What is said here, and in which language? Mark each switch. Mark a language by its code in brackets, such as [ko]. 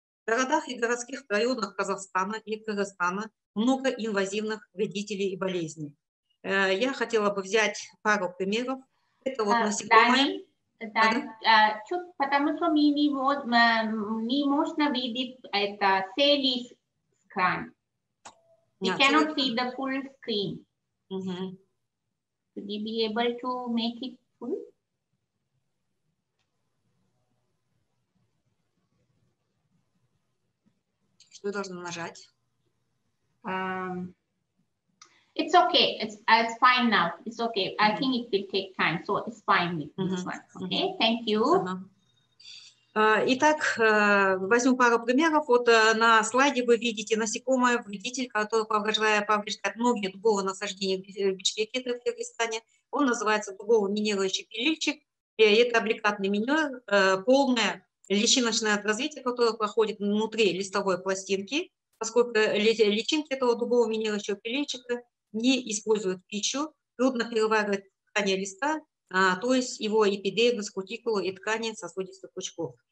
[ru] В городах и городских районах Казахстана и Кыргызстана много инвазивных вредителей и болезней. Я хотела бы взять пару примеров. Это вот насекомые. Потому что мы не можно видеть это целый экран. [en] We cannot see the full screen. Would you be able to make it full? [ru] Что должно нажать? [en] It's okay. It's fine now. It's okay. Mm-hmm. I think it will take time, so it's fine with this one. Okay, thank you. [ru] Итак, возьму пару примеров. Вот на слайде вы видите насекомое, вредитель, который повреждает многие дубовые насаждения в Бишкеке, в Кыргызстане. Он называется дубовый минирующий пилильчик. Это аппликатный минер, полное личиночное развитие, которое проходит внутри листовой пластинки, поскольку личинки этого дубового минирующего пилильчика не используют пищу, трудно переваривать ткани листа, то есть его эпидермис, кутикулу и ткани сосудистых пучков.